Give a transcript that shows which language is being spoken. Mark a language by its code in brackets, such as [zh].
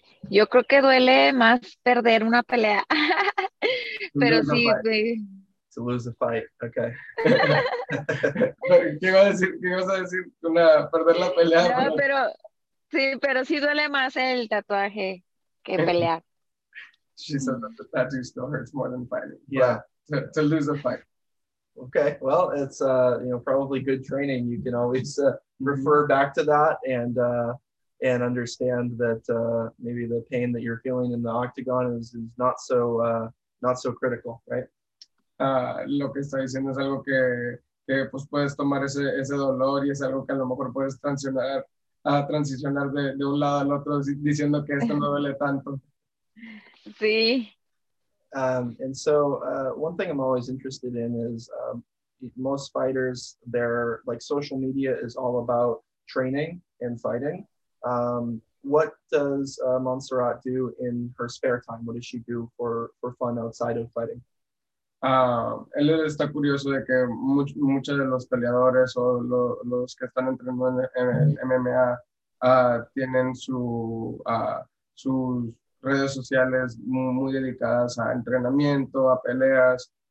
[es] Yo creo que duele más perder una pelea, pero [en] Lose a [es] sí. [en] fight. To lose a fight. Okay. [es] ¿Qué ibas a decir? Perder la pelea. No, pero sí duele más el tatuaje que pelear. [en] She said that the tattoo still hurts more than fighting, Yeah. but to lose a fight. Okay. Well, it's probably good training. You can always refer back to that and and understand that maybe the pain that you're feeling in the octagon is not so not so critical, right? [es] Lo que está diciendo es algo que pues puedes tomar ese dolor y es algo que a lo mejor puedes transicionar de un lado al otro diciendo que esto no duele tanto. Sí. [en] And so one thing I'm always interested in is most fighters, their like social media is all about training and fighting. What does Montserrat do in her spare time? What does she do for fun outside of fighting? [es] Él está curioso de que muchos de los peleadores o los que están entrenando en el MMA tienen sus redes sociales muy dedicadas a entrenamiento, a peleas.